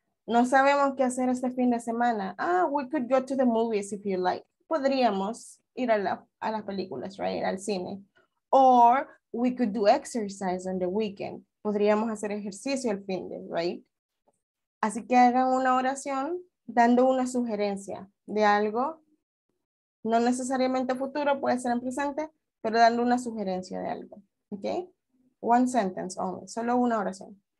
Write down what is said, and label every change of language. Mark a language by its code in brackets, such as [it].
[es] No sabemos qué hacer este fin de semana. [en] Ah, we could go to the movies if you like. [es] Podríamos ir a las películas, [en] right? [es] Al cine. [en] Or we could do exercise on the weekend. [es] Podríamos hacer ejercicio el fin de, right? Así que hagan una oración dando una sugerencia de algo. No necesariamente futuro, puede ser en presente, pero dando una sugerencia de algo. Okay? [en] One sentence only. [es] Solo una oración.